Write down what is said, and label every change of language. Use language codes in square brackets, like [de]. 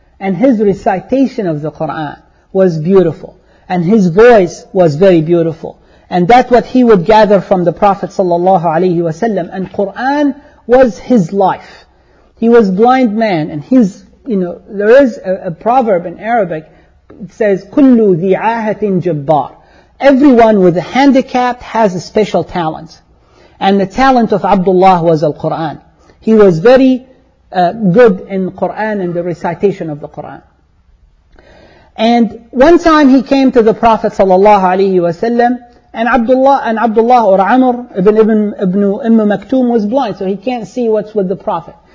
[en] And his recitation of the Quran was beautiful. And his voice was very beautiful. And that what he would gather from the Prophet sallallahu alaihi wasallam. And Quran was his life. He was blind man. And his, you know, there is a proverb in Arabic. It says, [ar] كُلُّ ذِي عَاهَةٍ جَبَّارٍ. [en] Everyone with a handicap has a special talent. And the talent of Abdullah was al-Quran. He was very good in Quran and the recitation of the Quran. And one time he came to the Prophet sallallahu alaihi wasallam, and Abdullah or Amr ibn Umm Maktum was blind, so he can't see what's with the Prophet.